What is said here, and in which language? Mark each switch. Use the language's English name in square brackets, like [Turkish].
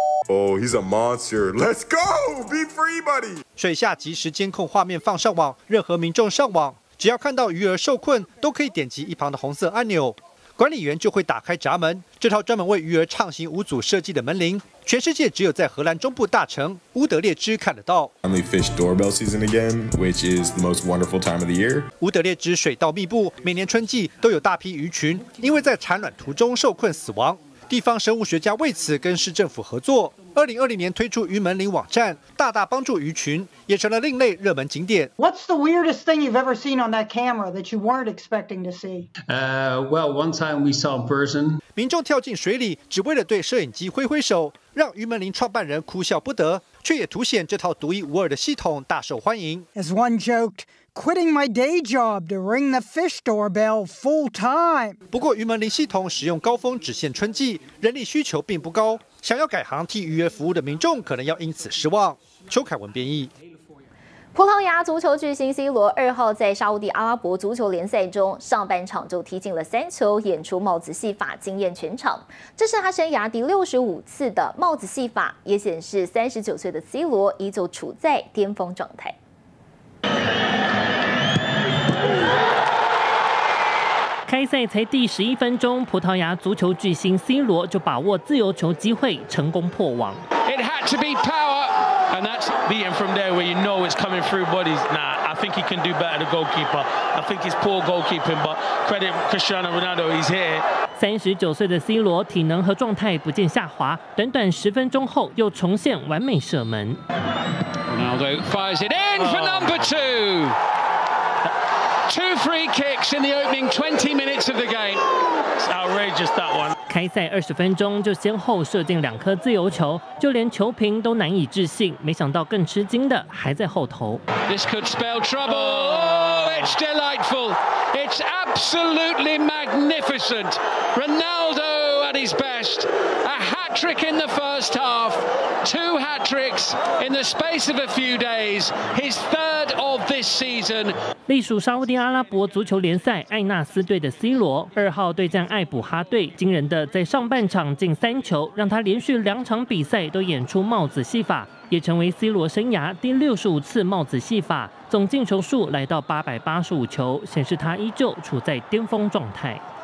[English] Oh, he's a monster. Let's go, be free, buddy. [Chinese] 水下即时监控画面放上网，任何民众上网，只要看到鱼儿受困，都可以点击一旁的红色按钮。管理员就会打开闸门。这套专门为鱼儿畅行无阻设计的门铃，全世界只有在荷兰中部大城乌德列支看得到。 [English] Finally, fish doorbell season again, which is the most wonderful time of the year. [Chinese] 乌德列支水稻密布，每年春季都有大批鱼群因为在产卵途中受困死亡。地方生物学家为此跟市政府合作，2020年推出鱼门铃网站，大大帮助鱼群，也成了另类热门景点。 [English] What's the weirdest thing you've ever seen on that camera that you weren't expecting to see? Well, one time we saw a person. [Chinese] 民众跳进水里，只为了对摄影机挥挥手，让鱼门铃创办人哭笑不得，却也凸显这套独一无二的系统大受欢迎。 [English] As one joked. Quitting my day job to ring the fish doorbell full time. [Chinese] 不过鱼门铃系统使用高峰只限春季，人力需求并不高，想要改行替鱼儿服务的民众可能要因此失望。邱凯文编译。葡萄牙足球巨星 C 罗二号在沙地阿拉伯足球联赛中上半场就踢进了三球，演出帽子戏法惊艳全场。这是他生涯第65次的帽子戏法，也显示39岁的 C 罗依旧处在巅峰状态。开赛才第11分钟，葡萄牙足球巨星 C 罗就把握自由球机会，成功破网。 [English] It had to be power, and that's the end from there where you know it's coming through bodies. Nah, I think he can do better than goalkeeper. I think it's poor goalkeeping, but credit Cristiano Ronaldo, he's here. [Chinese] 39岁的 C 罗体能和状态不见下滑，短短10分钟后又重现完美射门。 [English] Ronaldo fires it in for number two. Two free kicks in the opening 20 minutes of the game. It's outrageous that one. [Chinese] 开赛20分钟就先后射进2颗自由球，就连球评都难以置信。没想到更吃惊的还在后头。 [English] This could spell trouble. Oh, it's delightful. It's absolutely magnificent. Ronaldo at his best. A hat trick in the first half. Two hat tricks in the space of a few days. His third of this season. [Chinese] 隶属沙烏地阿拉伯足球联赛艾纳斯队的 C 罗二号对战艾卜哈队，惊人的在上半场进3球，让他连续2场比赛都演出帽子戏法，也成为 C 罗生涯第65次帽子戏法，总进球数来到885球，显示他依旧处在巅峰状态。